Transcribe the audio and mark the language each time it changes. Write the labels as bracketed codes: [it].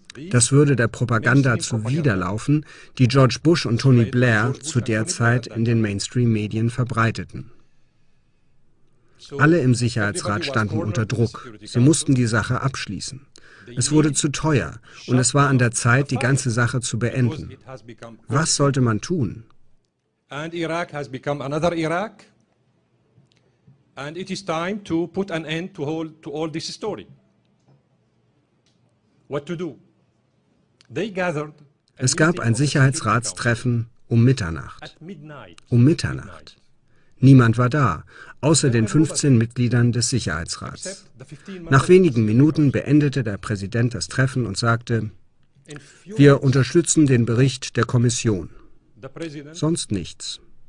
[de] Das würde der Propaganda zuwiderlaufen, die George Bush und Tony Blair zu der Zeit in den Mainstream-Medien verbreiteten. Alle im Sicherheitsrat standen unter Druck. Sie mussten die Sache abschließen. Es wurde zu teuer und es war an der Zeit, die ganze Sache zu beenden. Was sollte man tun? [en] And Iraq has become another Iraq. And it is time to put an end to all this story. What to do? They gathered. [de] Es gab ein Sicherheitsratstreffen um Mitternacht. Um Mitternacht. Niemand war da, außer den 15 Mitgliedern des Sicherheitsrats. Nach wenigen Minuten beendete der Präsident das Treffen und sagte: Wir unterstützen den Bericht der Kommission. Sonst nichts.